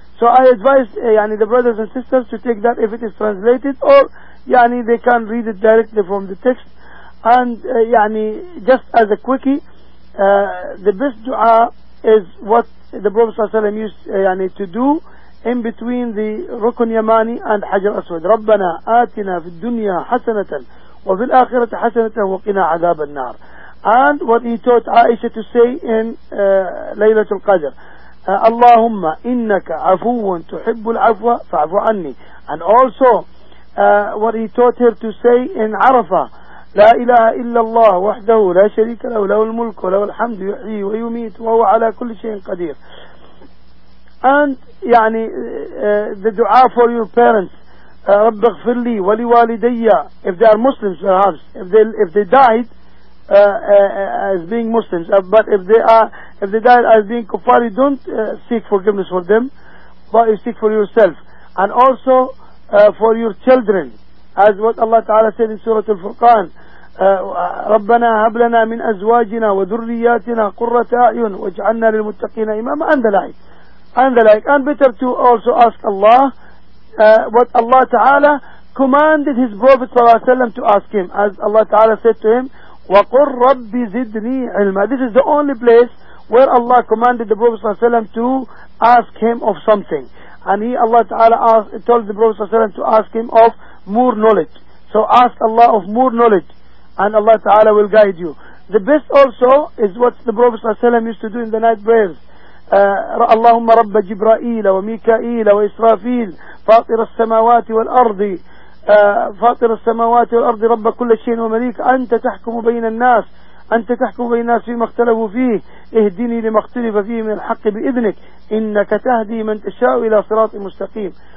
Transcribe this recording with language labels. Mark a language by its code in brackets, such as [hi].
[en] So I advise yani the brothers and sisters to take that if it is translated, or yani they can read it directly from the text. And يعني just as a quickie, the best dua is what the Prophet sallallahu alaihi wasallam used يعني to do in between the Rukun Yamani and Hajar Aswad. [ar] ربنا آتنا في الدنيا حسنة وفي الآخرة حسنة وقنا عذاب النار. [en] And what he taught Aisha to say in ليلة القدر, [ar] اللهم إنك عفو تحب العفو فاعف عني. [en] And also what he taught her to say in [ar] عرفة, لا إله إلا الله وحده لا شريك له له الملك وله الحمد يحيي ويميت وهو على كل شيء قدير. [en] And يعني the dua for your parents, [ar] رب اغفر لي ولوالدي, [en] if they are Muslims perhaps, if they died as being Muslims, but if they died as being kuffar, you don't seek forgiveness for them, but you seek for yourself. And also for your children, as what Allah Ta'ala said in Surah Al-Furqan, [ar] ربنا هب لنا من أزواجنا وذرياتنا قرة أعين واجعلنا للمتقين إماما. [en] And the like. And better to also ask Allah what Allah Ta'ala commanded his Prophet صلى الله عليه وسلم to ask him, as Allah Ta'ala said to him, [ar] وَقُلْ رَبِّ زِدْنِي عِلْمًا. [en] This is the only place where Allah commanded the Prophet صلى الله عليه وسلم to ask him of something. And he, Allah Ta'ala, told the Prophet صلى الله عليه وسلم to ask him of more knowledge. So ask Allah of more knowledge, and Allah Ta'ala will guide you. The best also is what the Prophet صلى الله عليه وسلم used to do in the night prayers. [ar] اللهم رب جبرائيل وميكائيل وإسرافيل فاطر السماوات والأرض فاطر السماوات والأرض رب كل شيء ومليك أنت تحكم بين الناس فيما اختلفوا فيه اهدني لما اختلف فيه من الحق بإذنك إنك تهدي من تشاء إلى صراط مستقيم.